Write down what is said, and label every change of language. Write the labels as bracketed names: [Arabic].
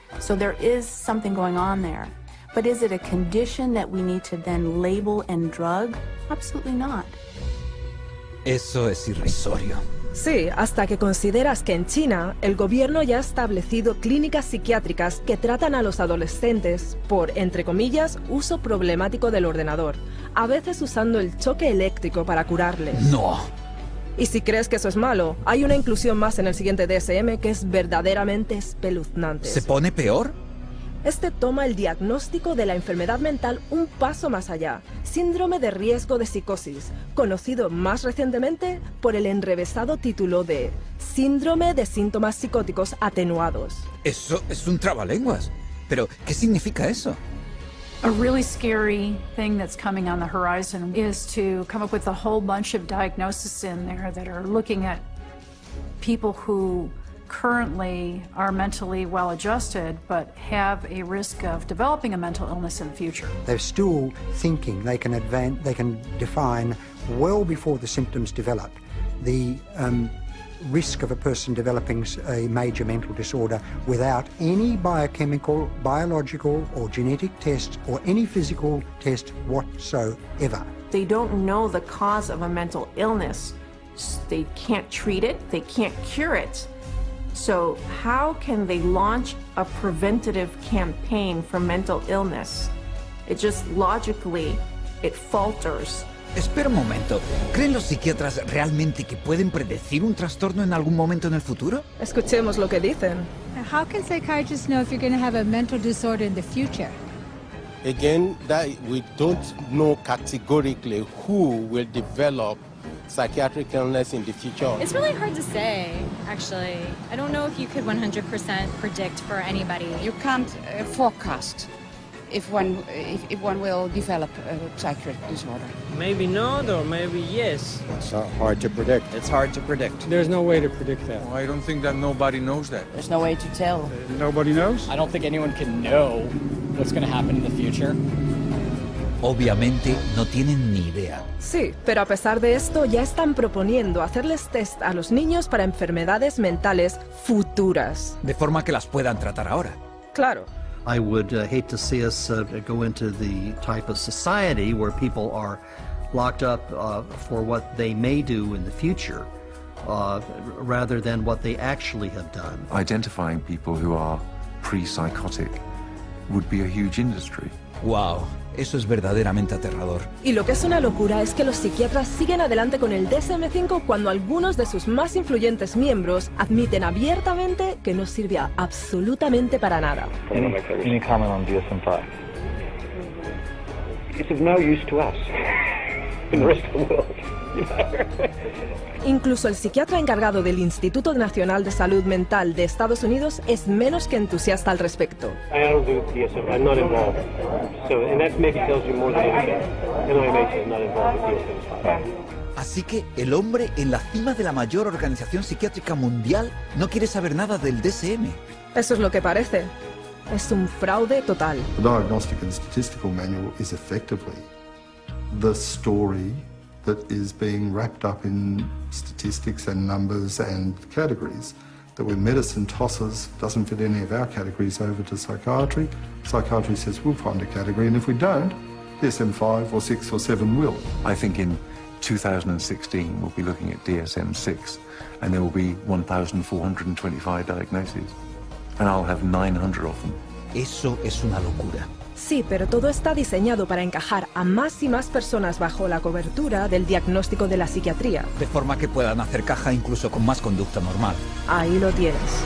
[English] So there is something going on there. But is it a condition that we need to then label and drug? Absolutely not. [Spanish] Eso es irrisorio. Sí, hasta que consideras que en China el gobierno ya ha establecido clínicas psiquiátricas que tratan a los adolescentes por, entre comillas, uso problemático del ordenador, a veces usando el choque eléctrico para curarles. ¡No! Y si crees que eso es malo, hay una inclusión más en el siguiente DSM que es verdaderamente espeluznante. ¿Se pone peor? Este toma el diagnóstico de la enfermedad mental un paso más allá. Síndrome de riesgo de psicosis, conocido más recientemente por el enrevesado título de Síndrome de síntomas psicóticos atenuados. Eso es un trabalenguas. Pero, ¿qué significa eso? [English] A really scary thing that's coming on the horizon is to come up with a whole bunch of diagnoses in there that are looking at people who currently are mentally well adjusted but have a risk of developing a mental illness in the future. They're still thinking they can advance, they can define well before the symptoms develop the risk of a person developing a major mental disorder without any biochemical, biological or genetic test or any physical test whatsoever. They don't know the cause of a mental illness. They can't treat it, they can't cure it. So how can they launch a preventative campaign for mental illness? It just logically, it falters. [Spanish] Espera un momento. ¿Creen los psiquiatras realmente que pueden predecir un trastorno en algún momento en el futuro? Escuchemos lo que dicen. [English] How can psychiatrists know if you're going to have a mental disorder in the future? Again, that we don't know categorically who will develop psychiatric illness in the future. It's really hard to say, actually. I don't know if you could 100% predict for anybody. You can't forecast if one will develop a psychiatric disorder. Maybe not, or maybe yes. It's hard to predict. It's hard to predict. There's no way to predict that. Well, I don't think that nobody knows that. There's no way to tell. Nobody knows? I don't think anyone can know what's going to happen in the future. [Spanish] Obviamente, no tienen ni idea. Sí, pero a pesar de esto, ya están proponiendo hacerles test a los niños para enfermedades mentales futuras. De forma que las puedan tratar ahora. Claro. [English] I would hate to see us go into the type of society where people are locked up for what they may do in the future rather than what they actually have done. Identifying people who are pre-psychotic would be a huge industry. [Spanish] Wow, eso es verdaderamente aterrador. Y lo que es una locura es que los psiquiatras siguen adelante con el DSM-5 cuando algunos de sus más influyentes miembros admiten abiertamente que no sirve absolutamente para nada. [English] Any comment on DSM-5? It's of no use to us in the rest of the world. [Spanish] Incluso el psiquiatra encargado del Instituto Nacional de Salud Mental de Estados Unidos es menos que entusiasta al respecto. [English] I don't do DSM, I'm not involved. So, and that maybe tells you more than anything. NIMH is not involved with DSM-5. [Spanish] Así que el hombre en la cima de la mayor organización psiquiátrica mundial no quiere saber nada del DSM. Eso es lo que parece. Es un fraude total. [English] The Diagnostic and Statistical Manual is effectively the story that is being wrapped up in statistics and numbers and categories, that when medicine tosses, doesn't fit any of our categories over to psychiatry, psychiatry says we'll find a category, and if we don't, DSM-5 or 6 or 7 will. I think in 2016 we'll be looking at DSM-6 and there will be 1,425 diagnoses. And I'll have 900 of them. [Spanish] Eso es una locura. Sí, pero todo está diseñado para encajar a más y más personas bajo la cobertura del diagnóstico de la psiquiatría. De forma que puedan hacer caja incluso con más conducta normal. Ahí lo tienes.